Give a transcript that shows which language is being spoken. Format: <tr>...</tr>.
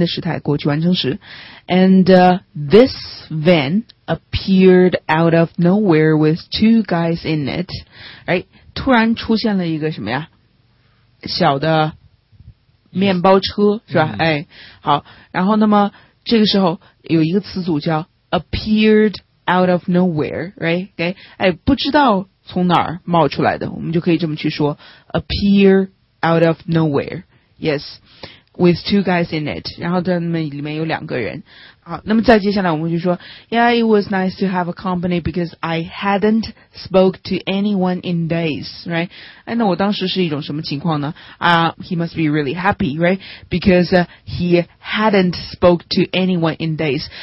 <zh>我搭好了帐篷，然后呢，再去做饭。当时正在做饭，是吧？当时正在做饭。好，那么所以在这儿又是一个新的时态，过去完成时。And</zh> <en>this van appeared out of nowhere with two guys in it.</en> <zh>突然出现了一个什么呀？小的面包车是吧？好，然后那么这个时候有一个词组叫</zh> <en>appeared out of nowhere, right?</en> <zh>Okay, 不知道从哪儿冒出来的，我们就可以这么去说</zh> <en>appear out of nowhere. Yes, with two guys in it.</en> <zh>然后在那里面有两个人。好，那么再接下来我们就说</zh> <en>Yeah, it was nice to have a company because I hadn't spoke to anyone in days, right?</en> <zh>那我当时是一种什么情况呢?</zh> <en>He must be really happy, right? Because he hadn't spoke to anyone in days.</en>